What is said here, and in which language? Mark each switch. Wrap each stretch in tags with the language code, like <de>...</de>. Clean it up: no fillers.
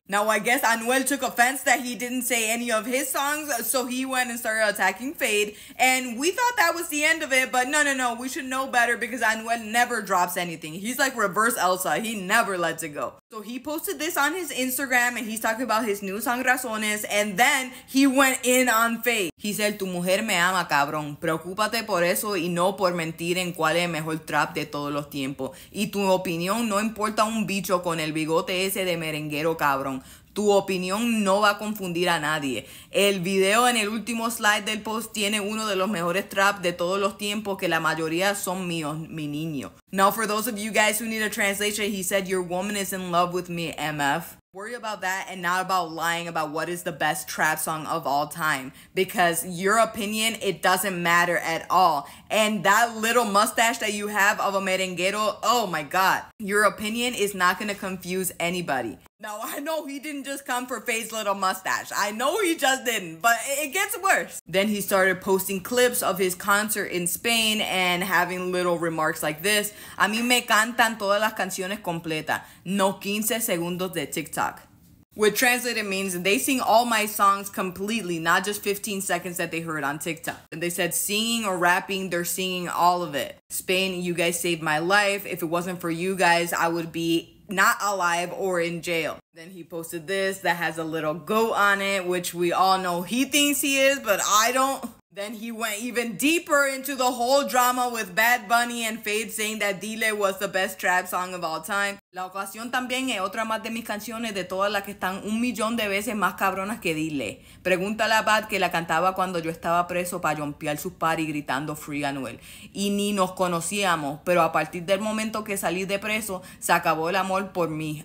<en>Now, I guess Anuel took offense that he didn't say any of his songs, so he went and started attacking Fade. And we thought that was the end of it, but no, we should know better because Anuel never drops anything. He's like reverse Elsa. He never lets it go. So he posted this on his Instagram and he's talking about his new song, Razones, and then he went in on Faye. He said,</en> <es>tu mujer me ama, cabrón. Preocúpate por eso y no por mentir en cuál es el mejor trap de todos los tiempos. Y tu opinión no importa un bicho con el bigote ese de merenguero, cabrón. Tu opinión no va a confundir a nadie. El video en el último slide del post tiene uno de los mejores traps de todos los tiempos que la mayoría son míos, mi niño.</es> <en>Now, for those of you guys who need a translation, he said, your woman is in love with me, MF. Worry about that and not about lying about what is the best trap song of all time. Because your opinion, it doesn't matter at all. And that little mustache that you have of a merenguero, oh my God. Your opinion is not gonna confuse anybody. Now, I know he didn't just come for Faye's little mustache. I know he just didn't, but it gets worse. Then he started posting clips of his concert in Spain and having little remarks like this.</en> <es>A mí me cantan todas las canciones completas, no 15 segundos de TikTok.</es> <en>Which translated means they sing all my songs completely, not just 15 seconds that they heard on TikTok. And they said singing or rapping, they're singing all of it. Spain, you guys saved my life. If it wasn't for you guys, I would be not alive or in jail. Then he posted this that has a little goat on it, which we all know he thinks he is, but I don't. Then he went even deeper into the whole drama with Bad Bunny and Fade saying that Dile was the best trap song of all time.</en> <es>La ocasión también es otra más de mis canciones de todas las que están un millón de veces más cabronas que Dile. Pregúntale a Bad que la cantaba cuando yo estaba preso para jumpear sus party gritando Free Anuel. Y ni nos conocíamos, pero a partir del momento que salí de preso, se acabó el amor por mí.</es>